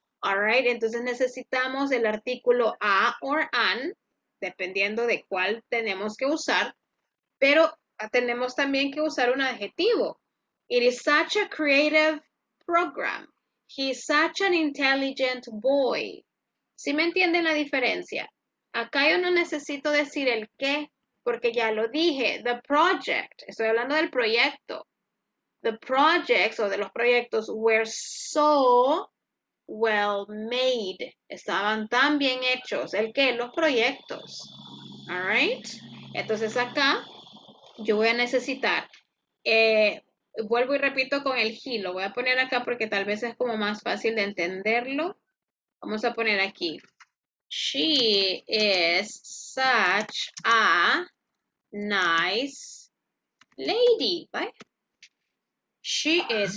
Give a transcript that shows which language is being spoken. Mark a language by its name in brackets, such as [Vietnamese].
[Spanish] All right, entonces necesitamos el artículo a or an, dependiendo de cuál tenemos que usar, pero tenemos también que usar un adjetivo. [English] It is such a creative program. He's such an intelligent boy. [Spanish] ¿Sí me entienden la diferencia? Acá yo no necesito decir el qué, porque ya lo dije. [English] The project, [Spanish] estoy hablando del proyecto. [English] The projects, [Spanish] o de los proyectos, [English] were so well made. [Spanish] Estaban tan bien hechos. ¿El qué? Los proyectos. All right. Entonces acá yo voy a necesitar, vuelvo y repito con el he, lo voy a poner acá porque tal vez es como más fácil de entenderlo. Vamos a poner aquí. [English] She is such a nice lady, right? She is.